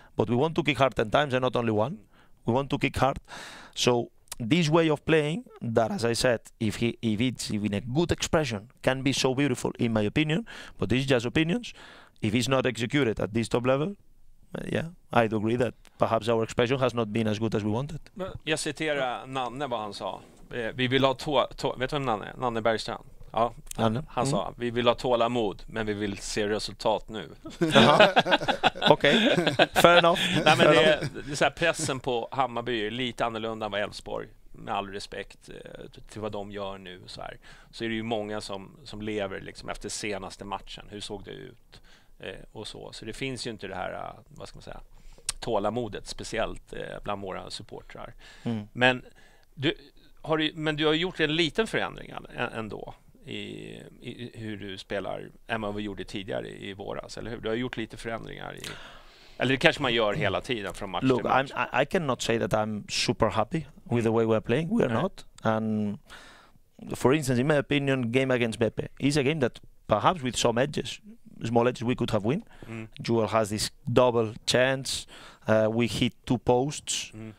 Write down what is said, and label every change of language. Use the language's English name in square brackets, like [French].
[English] But we want to kick hard 10 times and not only one. We want to kick hard. So this way of playing that, as I said, if it's even a good expression, can be so beautiful, in my opinion, but this is just opinions, if it's not executed at this top level, yeah, I do agree that perhaps our expression has not been as good as we wanted. [Swedish] Jag citerar Nanne vad han sa. Vi vill ha vet du vem Nanne? Nanne Bergstrand. Ja, han sa, vi vill ha tålamod, men vi vill se resultat nu. [English] Okej, fair enough. [Swedish] Nej, men det är så här, pressen på Hammarby är lite annorlunda än vad Elfsborg, med all respekt till vad de gör nu. Så är det ju många som lever liksom, efter senaste matchen. Hur såg det ut? Och så det finns ju inte det här, vad ska man säga, tålamodet, speciellt bland våra supportrar. Men du har gjort en liten förändring ändå i hur du spelar än vad vi gjorde tidigare i våras, eller hur? Du har gjort lite förändringar i, eller det kanske man gör hela tiden från match [English] Look, [Swedish] till match. [English] I cannot say that I'm super happy with the way we're playing. We're not. And for instance, in my opinion, game against Beppe is a game that perhaps with some edges, small edges, we could have win. Joel has this double chance. We hit two posts.